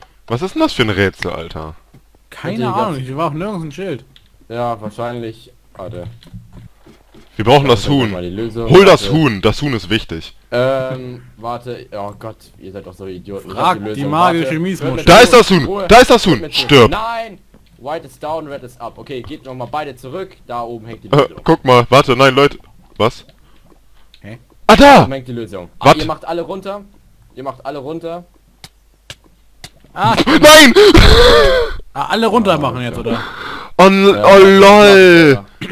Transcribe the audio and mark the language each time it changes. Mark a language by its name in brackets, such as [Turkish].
[German] Was ist denn das für ein Rätsel, Alter? Keine Ahnung, hier war auch nirgends ein Schild. Ja, wahrscheinlich. Warte. Wir brauchen das Huhn. Hol das Huhn, das Huhn ist wichtig. Warte, oh Gott, ihr seid doch so Idioten. Frag die magische Miesmuschel. Da ist das Huhn, da ist das Huhn, stirb. Nein, [English] White is down, Red is up. [German] Okay, geht nochmal beide zurück, da oben hängt die Lösung. Guck mal, warte, nein, Leute, was? Hä? Ah, da! Da hängt die Lösung. Ah, ihr macht alle runter, ihr macht alle runter. Ah, nein! Ah, alle runter machen jetzt, oder? Oh, oh lol!